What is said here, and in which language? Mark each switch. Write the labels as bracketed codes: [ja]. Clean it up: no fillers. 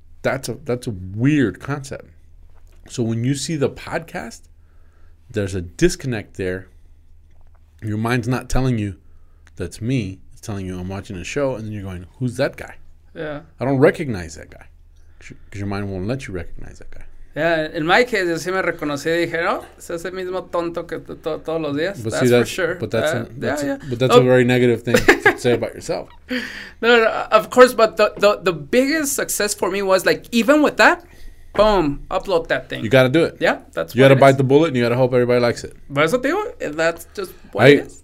[en] That's a weird concept. So when you see the podcast, there's a disconnect there. Your mind's not telling you that's me. It's telling you I'm watching a show, and then you're going, who's that guy? Yeah. I don't recognize that guy. Because your mind won't let you recognize that guy. Yeah, in my case, [es] yo sí me reconocí. Dije, no, es ese mismo tonto que todos los días. [en] But that's for sure. But that's a very negative thing to say about yourself. No, of course, but the biggest success for me was, like, even with that, boom, upload that thing. You got to do it. Yeah, that's right. You got to bite the bullet, and you got to hope everybody likes it. That's just what it is.